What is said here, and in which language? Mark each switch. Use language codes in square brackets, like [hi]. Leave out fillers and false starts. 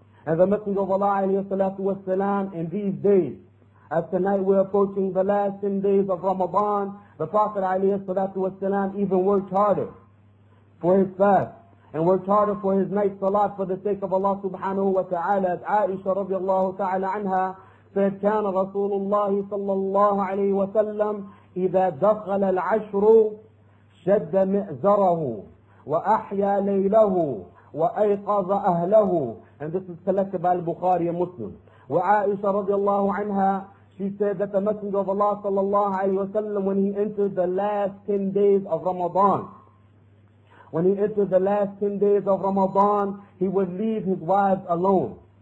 [en] And the Messenger of Allah alayhi salatu wa salam, in these days, as tonight we're approaching the last 10 days of Ramadan, the Prophet alayhi salatu wa salam even worked harder for his fast and worked harder for his night salat for the sake of Allah subhanahu wa ta'ala. As Aisha radiallahu ta'ala anha said, [ar] كان رسول الله صلى الله عليه وسلم إذا دخل العشر شد مئزره وأحيا ليله وأيقظ أهله. [en] And this is collected by Al-Bukhari and Muslim. [ar] وعائشة رضي الله عنها, [en] she said that the Messenger of Allah [ar] صلى الله عليه وسلم, [en] when he entered the last 10 days of Ramadan, when he entered the last 10 days of Ramadan, he would leave his wives alone.